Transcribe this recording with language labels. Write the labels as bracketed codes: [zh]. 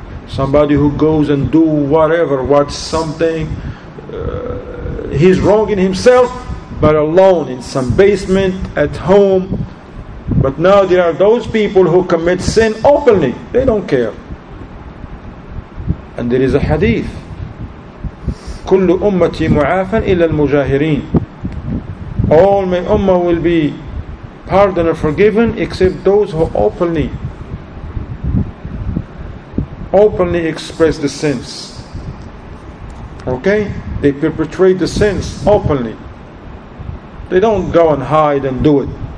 [en] Somebody who goes and do whatever, watch something, he's wronging himself, but alone in some basement, at home. But now there are those people who commit sin openly. They don't care. And there is a hadith. [ar] كل أمتي معافا إلا المجاهرين. [en] All my ummah will be pardoned and forgiven except those who openly express the sins. Okay? They perpetrate the sins openly. They don't go and hide and do it.